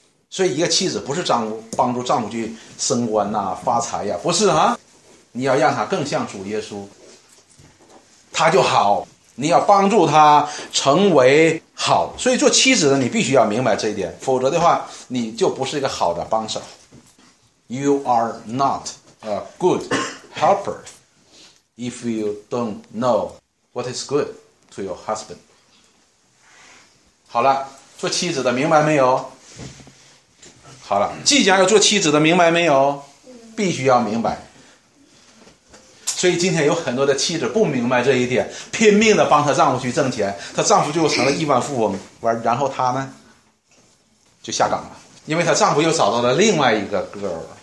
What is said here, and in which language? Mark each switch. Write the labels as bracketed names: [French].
[Chinese] 所以一个妻子不是帮助丈夫去升官啊发财啊，不是啊，你要让他更像主耶稣，他就好，你要帮助他成为好。所以做妻子的你必须要明白这一点，否则的话你就不是一个好的帮手。 [English] You are not a good helper if you don't know what is good to your husband。 [Chinese] 好了，做妻子的明白没有？好了，即将要做妻子的明白没有？必须要明白。所以今天有很多的妻子不明白这一点，拼命的帮她丈夫去挣钱，她丈夫就成了亿万富翁，然后她呢就下岗了，因为她丈夫又找到了另外一个 girl。